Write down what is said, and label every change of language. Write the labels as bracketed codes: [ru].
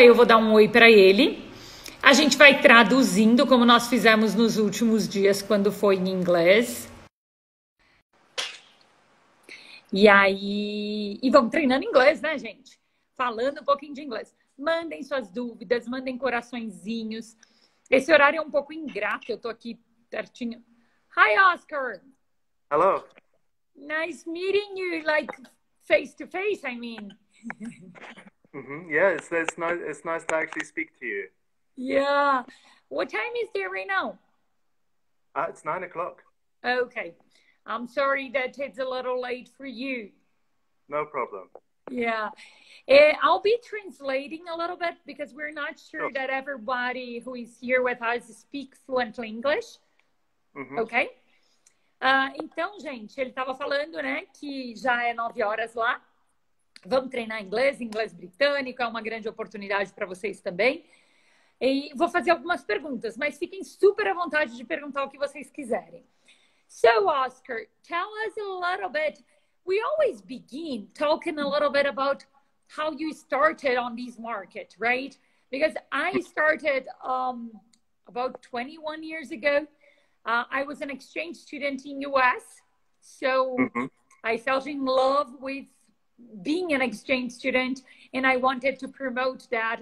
[pt] Eu vou dar um oi para ele. A gente vai traduzindo, como nós fizemos nos últimos dias quando foi em inglês. E vamos treinando inglês, né, gente? Falando um pouquinho de inglês. Mandem suas dúvidas, mandem coraçõezinhos. Esse horário é um pouco ingrato, eu tô aqui pertinho. [en] Hi, Oscar! Hello. Nice meeting you, like face to face, I mean. Yes, yeah, it's nice to actually speak to you. Yeah. What time is there right now? It's 9 o'clock. Okay. I'm sorry that it's a little late for you. No problem. Yeah, I'll be translating a little bit because we're not sure that everybody who is here with us speaks fluent English. Okay? [pt] Então, gente, ele estava falando, né, que já é 9 horas lá. Vamos treinar inglês, inglês britânico, é uma grande oportunidade para vocês também. E vou fazer algumas perguntas, mas fiquem super à vontade de perguntar o que vocês quiserem. [en] So, Oscar, tell us a little bit. We always begin talking a little bit about how you started on this market, right? Because I started about 21 years ago. I was an exchange student in US, so I fell in love with being an exchange student, and I wanted to promote that.